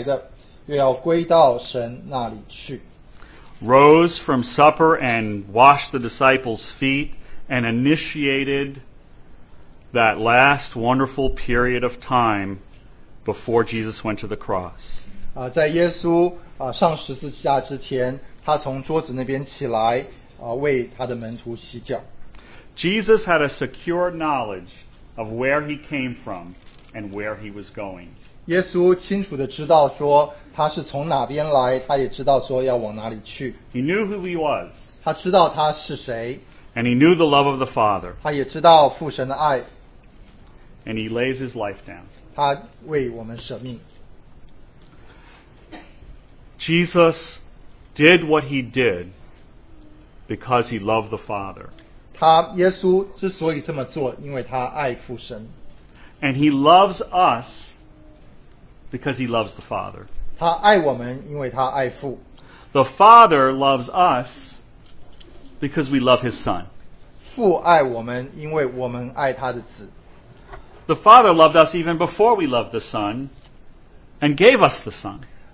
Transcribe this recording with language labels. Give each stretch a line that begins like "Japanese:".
Chinese: 第三节,耶稣知道父已经将万有交在他手里,且知道自己是从神出来的,又要归到神那里去。
English: Rose from supper and washed the disciples' feet and initiated that last wonderful period of time before Jesus went to the cross.
Chinese: 在耶稣上十字架之前,他从桌子那边起来,为他的门徒洗脚。
English: Jesus had a secure knowledge of where he came from and where he was going.
Chinese: 耶稣清楚地知道说他是从哪边来,他也知道说要往哪里去。
English: He knew who he was.
Chinese: 他知道他是谁。
English: And he knew the love of the Father.
Chinese: 他也知道父神的爱。
English: And he lays his life down.
Chinese: 他为我们舍命。
English: Jesus did what he did because he loved the Father.
Chinese: 他耶稣之所以这么做,因为他爱父神。
English: And he loves us because he loves the Father.
Chinese: 他爱我们因为他爱父。
English: The Father loves us because we love his Son.
Chinese: 父爱我们因为我们爱他的子。
English: The Father loved us even before we loved the Son and gave us the Son.